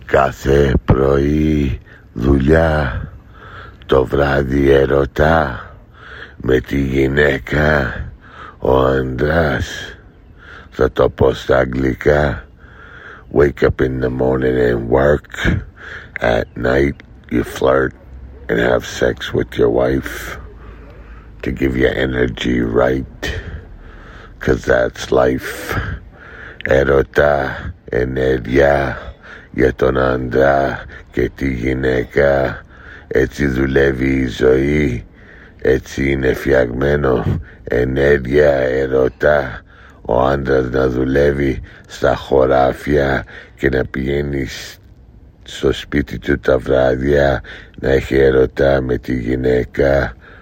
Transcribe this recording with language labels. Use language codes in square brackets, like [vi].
[el] Κάθε πρωί δουλειά, το βράδυ ερωτά, με τη γυναίκα ο άντρας. Θα το πω στα αγγλικά. [en] Wake up in the morning and work. At night you flirt and have sex with your wife to give you energy, right? 'Cause that's life. [el] Ερωτά, ενέργεια για τον άντρα και τη γυναίκα. Έτσι δουλεύει η ζωή, έτσι είναι φτιαγμένο. Ενέργεια, ερωτά, ο άντρας να δουλεύει στα χωράφια και να πηγαίνει στο σπίτι του τα βράδια, να έχει ερωτά με τη γυναίκα.